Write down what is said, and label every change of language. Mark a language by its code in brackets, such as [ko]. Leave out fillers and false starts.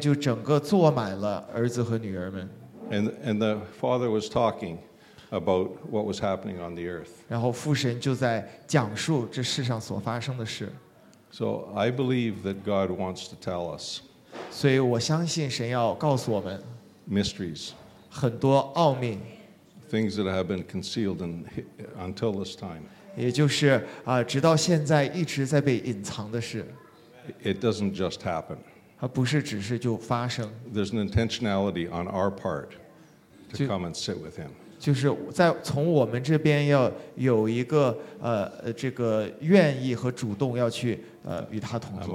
[zh] 然后我就看到山的另一边就整个坐满了儿子和女儿们。 [en] And the Father was talking about what was happening on the earth. [zh] 然后父神就在讲述这世上所发生的事。 [en] So I believe that God wants to tell us. [zh] 所以我相信神要告诉我们。 [en] Mysteries. [zh] 很多奥秘。 [en] Things that have been concealed until this time. [zh] 也就是直到现在一直在被隐藏的事。 [en] It doesn't just happen. [zh] 不是只是就发生。 [en] There's an intentionality on our part to come and sit with him. [zh] 就是在从我们这边要有一个这个愿意和主动要去与他同坐。